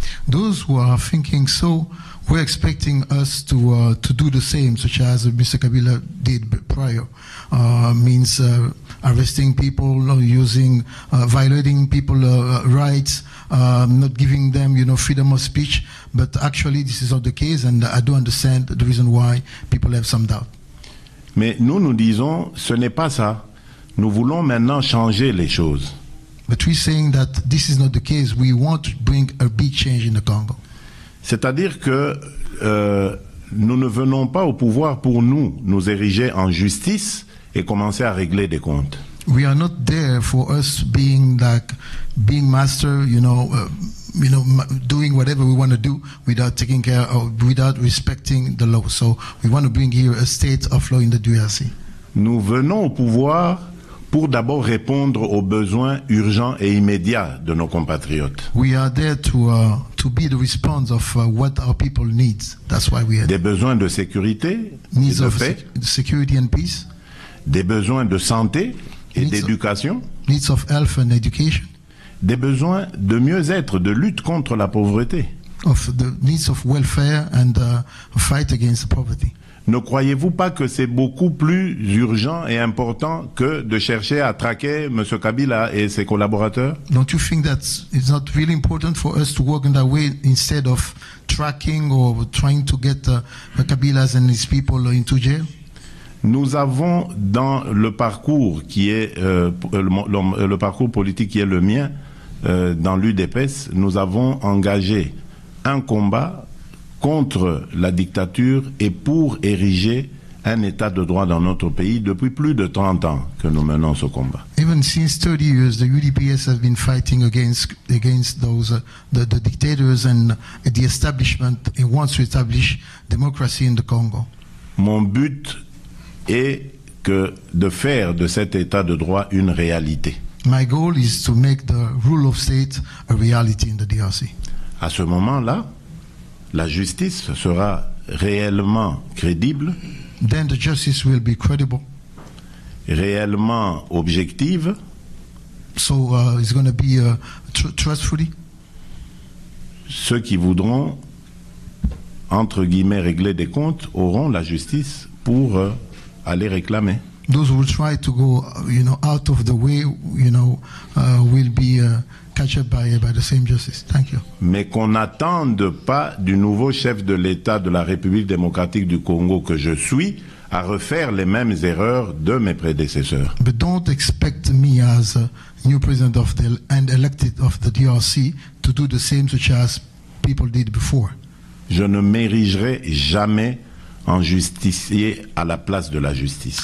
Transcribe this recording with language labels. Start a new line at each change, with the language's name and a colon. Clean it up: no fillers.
English: Those who are thinking so, we're expecting us to do the same, such as Mr. Kabila did prior, means arresting people, using, violating people's rights, not giving them, you know, freedom of speech. But actually, this is not the case, and I do understand the reason why people have some doubt.
French: Mais nous disons, ce n'est pas ça. Nous voulons maintenant changer les choses.
English: But we're saying that this is not the case. We want to bring a big change in the Congo.
French: C'est-à-dire que nous ne venons pas au pouvoir pour nous ériger en justice et commencer à régler des comptes.
English: We are not there for us being like being master, you know, you know, doing whatever we want to do without taking care of, without respecting the law. So we want to bring here a state of law in the DRC.
French: Nous venons au pouvoir pour d'abord répondre aux besoins urgents et immédiats de nos compatriotes.
English: We are there to be the response of what our people need. That's why we are.
French: Des besoins de sécurité,
English: needs
French: et de
English: of
French: paix.
English: Security and peace.
French: Des besoins de santé et
English: needs
French: d'éducation.
English: Of, needs of health and education.
French: Des besoins de mieux-être, de lutte contre la pauvreté.
English: Of the needs of welfare and fight against poverty.
French: Ne croyez-vous pas que c'est beaucoup plus urgent et important que de chercher à traquer M. Kabila et ses collaborateurs?
English: Don't you think that it's not really important for us to work in that way instead of tracking or trying to get Kabila's and his people into jail?
French: Nous avons dans le parcours qui est le parcours politique qui est le mien dans l'UDPS, nous avons engagé un combat contre la dictature et pour ériger un état de droit dans notre pays depuis plus de 30 ans que nous menons ce combat.
English: Even since 30 years, the UDPS has been fighting against those the dictators and the establishment and wants to establish democracy in the Congo.
French: Mon but est que de faire de cet état de droit une réalité.
English: My goal is to make the rule of state a reality in the DRC.
French: À ce moment-là, la justice sera réellement crédible,
English: then the justice will be credible,
French: réellement objective,
English: so it's going to be trustfully.
French: Ceux qui voudront, entre guillemets, régler des comptes auront la justice pour aller réclamer.
English: Those who will try to go, you know, out of the way, you know, will be catch up by the same justice. Thank you.
French: Mais qu'on n'attende pas du nouveau chef de l'État de la République démocratique du Congo que je suis à refaire les mêmes erreurs de mes prédécesseurs.
English: But don't expect me as a new president of the and elected of the DRC to do the same such as people did before.
French: Je ne m'érigerai jamais en justicier à la place de la justice.